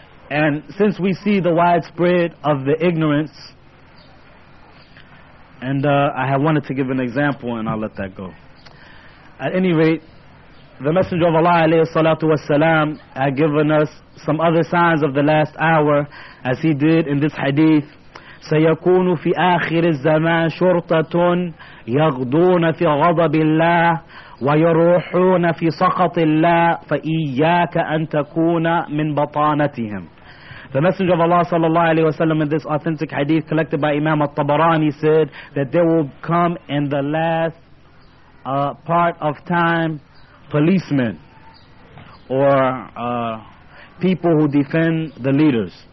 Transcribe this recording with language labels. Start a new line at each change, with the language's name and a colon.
English: And since we see the widespread of the ignorance, and I have wanted to give an example and I'll let that go. At any rate, the Messenger of Allah alayhi salatu wasalam had given us some other signs of the last hour, as he did in this hadith.
Arabic: سيكون في آخر الزمان شرطة يغدون في غضب الله ويروحون في سخط الله فإياك أن تكون من بطانتهم.
English: The Messenger of Allah sallallahu alaihi wasallam, in this authentic hadith collected by Imam al-Tabarani, said that there will come in the last part of time policemen, or people who defend the leaders.